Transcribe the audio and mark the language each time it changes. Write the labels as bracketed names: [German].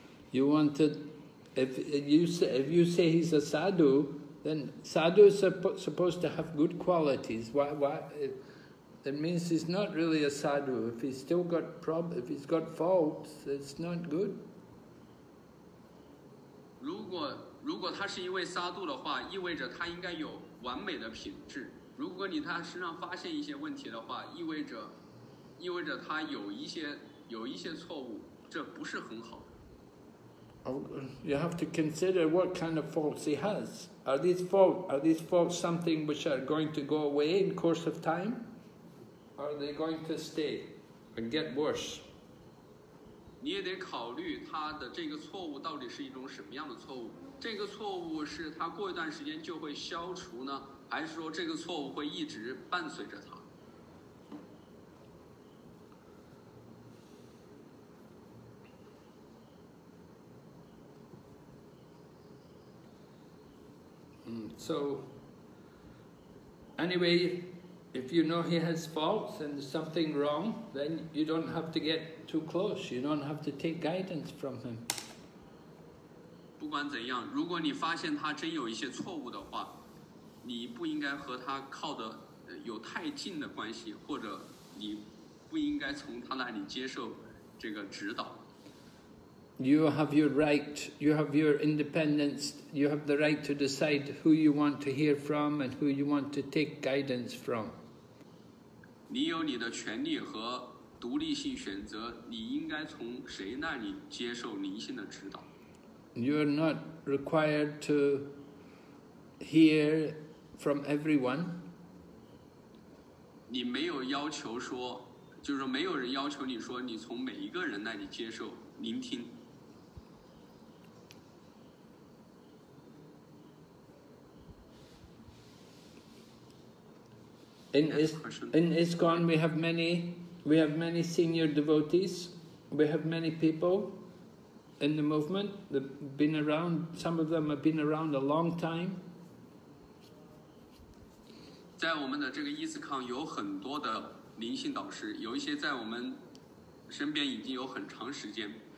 [English] You want to, if you say he's a sadhu, then sadhu is supposed to have good qualities. Why? That means he's not really a sadhu. If he's still got problems, if he's got faults, it's not good. [Chinese] 如果他是一位沙杜的话，意味着他应该有完美的品质。如果你他身上发现一些问题的话，意味着他有一些错误，这不是很好。 [English] You have to consider what kind of faults he has. Are these faults something which are going to go away in course of time? Are they going to stay and get worse? [Chinese] 你也得考虑他的这个错误到底是一种什么样的错误。这个错误是他过一段时间就会消除呢，还是说这个错误会一直伴随着他？ [English] So, anyway, if you know he has faults and something wrong, then you don't have to get too close. You don't have to take guidance from him. [Chinese] 不管怎样，如果你发现他真有一些错误的话，你不应该和他靠得有太近的关系，或者你不应该从他那里接受这个指导。 [English] You have your right, you have your independence, you have the right to decide who you want to hear from and who you want to take guidance from. [Chinese] 你有你的权利和独立性选择，你应该从谁那里接受灵性的指导。 [English] You're not required to hear from everyone. [Chinese] 你没有要求说，就是没有人要求你说你从每一个人那里接受聆听。 [English] In ISKCON, we have many senior devotees. We have many people in the movement. They've been around. Some of them have been around a long time. [Chinese] 在我们的这个伊斯康有很多的灵性导师，有一些在我们身边已经有很长时间。